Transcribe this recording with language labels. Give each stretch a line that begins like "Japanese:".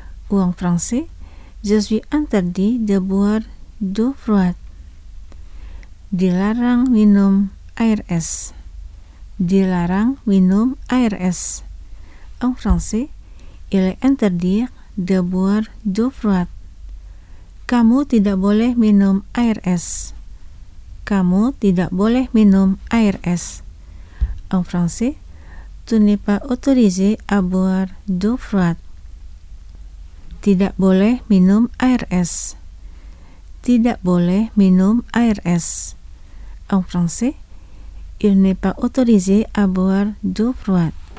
French: Ou en français, je suis interdit de boire d'eau froide.
Indonesian: Dilarang minum air es. Dilarang minum air es.
French: En français, il est interdit de boire d'eau froide.
Indonesian: Kamu tidak boleh minum air es. Kamu tidak boleh minum air es.
French: En français, tu n'es pas autorisé à boire d'eau froide.
Indonesian: Tidak boleh minum air es. Tidak boleh minum air es.
French: En français, il n'est pas autorisé à boire d'eau froide.